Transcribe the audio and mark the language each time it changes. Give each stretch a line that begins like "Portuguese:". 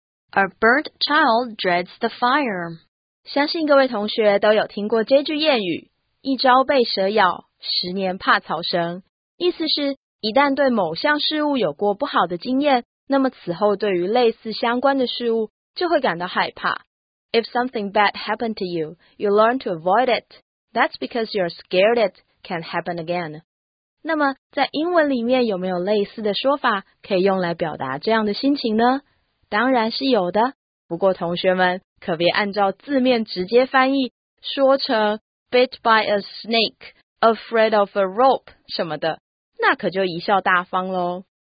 English: A burnt child dreads the fire.
Chinese: 相信各位同学都有听过这句谚语，一朝被蛇咬，十年怕草绳。意思是，一旦对某项事物有过不好的经验，那么此后对于类似相关的事物就会感到害怕。
English: If something bad happened to you, you learn to avoid it. That's because you're scared it can happen again.
Chinese: 那么在英文里面有没有类似的说法可以用来表达这样的心情呢？当然是有的。不过同学们可别按照字面直接翻译说成
English: bit by a snake, afraid of a rope
Chinese: 什么的，那可就贻笑大方咯。